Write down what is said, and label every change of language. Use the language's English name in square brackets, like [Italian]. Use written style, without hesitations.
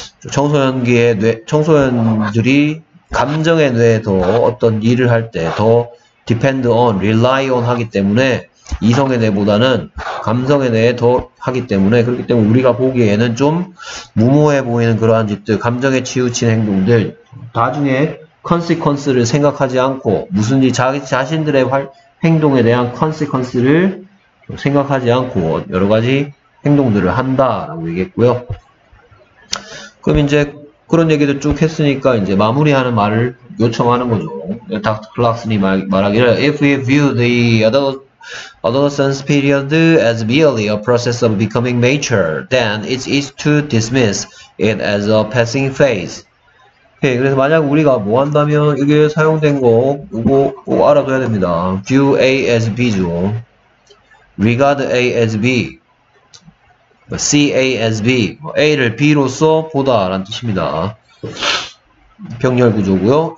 [Korean] 청소년기의 뇌 청소년들이 감정의 뇌에 더 어떤 일을 할때더 [English] depend on, rely on [Korean] 하기 때문에 이성의 뇌보다는 감성의 뇌에 더 하기 때문에 그렇기 때문에 우리가 보기에는 좀 무모해 보이는 그러한 짓들, 감정에 치우친 행동들 나중에 consequence를 생각하지 않고 무슨지 자기 자신들의 행동에 대한 컨시퀀스를 생각하지 않고 여러 가지 행동들을 한다라고 얘기했고요. 그럼 이제 그런 얘기도 쭉 했으니까 이제 마무리하는 말을 요청하는 거죠. 닥터 클락슨이 말하기를 [English] If we view the adolescence period as merely a process of becoming mature, then it's easy to dismiss it as a passing phase. [Korean] 예, 그래서 만약 우리가 뭐 한다면 이게 사용된 거 이거 꼭 알아둬야 됩니다. [English] View A as B죠. Regard A as B. See A as B. [Korean] A를 B로서 보다라는 뜻입니다. 병렬 구조고요.